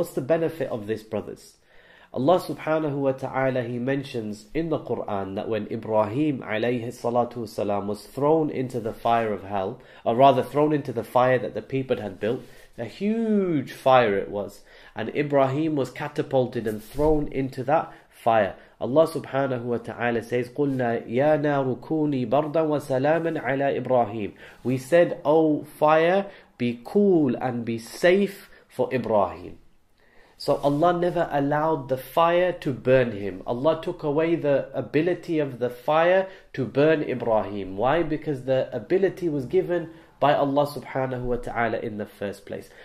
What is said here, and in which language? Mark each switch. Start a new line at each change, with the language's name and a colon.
English: What's the benefit of this, brothers? Allah subhanahu wa ta'ala, he mentions in the Quran that when Ibrahim alayhi salatu wasalam was thrown into the fire of hell, or rather thrown into the fire that the people had built, a huge fire it was, and Ibrahim was catapulted and thrown into that fire. Allah subhanahu wa ta'ala says,
Arabic: قُلْنَا يَا نَارُ كُونِي بَرْدًا وَسَلَامًا عَلَى إِبْرَاهِيمُ.
English: We said, O fire, be cool and be safe for Ibrahim. So Allah never allowed the fire to burn him. Allah took away the ability of the fire to burn Ibrahim. Why? Because the ability was given by Allah subhanahu wa ta'ala in the first place.